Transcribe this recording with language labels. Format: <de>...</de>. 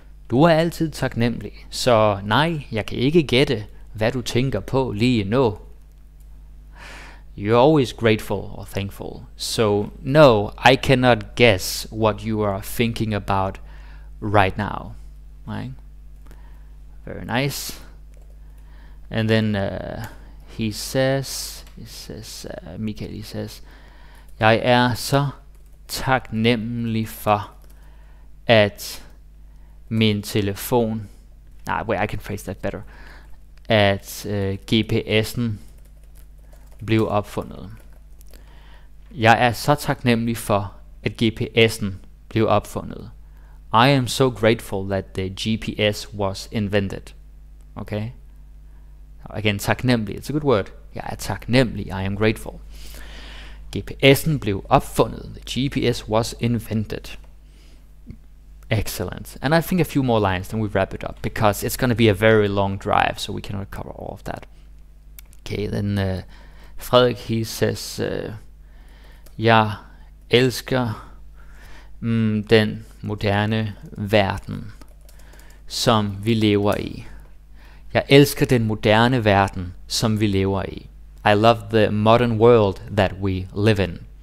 <da>Du er altid taknemmelig, så nej, jeg kan ikke gætte, hvad du tænker på lige nu.</da> <en>You're always grateful or thankful. So, no, I cannot guess what you are thinking about right now. Right? Very nice. And then Michael, he says,</en> <da>jeg er så taknemmelig for, at min telefon,</da> <en>I can phrase that better,</en> <da>at GPS'en blev opfundet. Jeg er så taknemmelig for, at GPS'en blev opfundet.</da> <en>I am so grateful that the GPS was invented. Okay? Again, taknemmelig. It's a good word.</en> <da>Jeg er taknemmelig.</da> <en>I am grateful.</en> <da>GPS'en blev opfundet.</da> <en>The GPS was invented. Excellent. And I think a few more lines, then we wrap it up, because it's going to be a very long drive, so we cannot cover all of that. Okay, then Frederik, he says,</en> <da>jeg elsker den moderne verden, som vi lever i. Jeg elsker den moderne verden, som vi lever i.</da> <en>I love the modern world that we live in.</en>